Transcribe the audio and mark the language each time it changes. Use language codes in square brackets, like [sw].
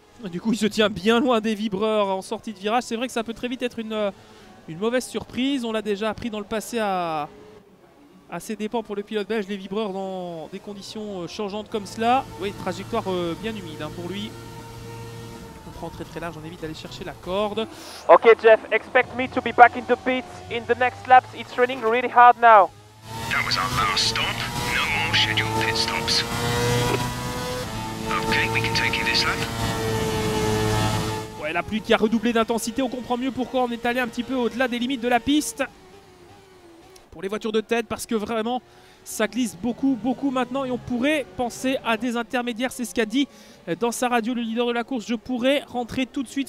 [fr] Du coup, il se tient bien loin des vibreurs en sortie de virage. C'est vrai que ça peut très vite être une mauvaise surprise. On l'a déjà appris dans le passé à ses dépens pour le pilote belge, les vibreurs dans des conditions changeantes comme cela. Oui, trajectoire bien humide pour lui. On prend très très large, on évite d'aller chercher la corde. [en] Ok Jeff, expect me to be back in the pit in the next laps. It's raining really hard now. That was our last stop. No more scheduled pit stops. Ok, we can take you this lap. [fr] Ouais, la pluie qui a redoublé d'intensité, on comprend mieux pourquoi on est allé un petit peu au-delà des limites de la piste. Pour les voitures de tête, parce que vraiment, ça glisse beaucoup, beaucoup maintenant. Et on pourrait penser à des intermédiaires. C'est ce qu'a dit dans sa radio le leader de la course. Je pourrais rentrer tout de suite.